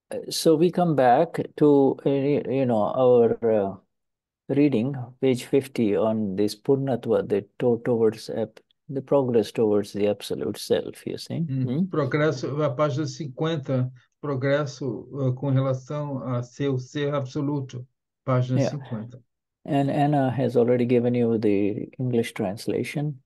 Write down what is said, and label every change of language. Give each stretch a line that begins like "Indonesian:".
English: So we come back to our reading, page 50, on this Purnatva, the progress towards the absolute self, you see.
Portuguese: Progresso, a página 50, progresso com relação a seu ser absoluto, página
English: Yeah,
Portuguese: 50.
English: and Anna has already given you the English translation.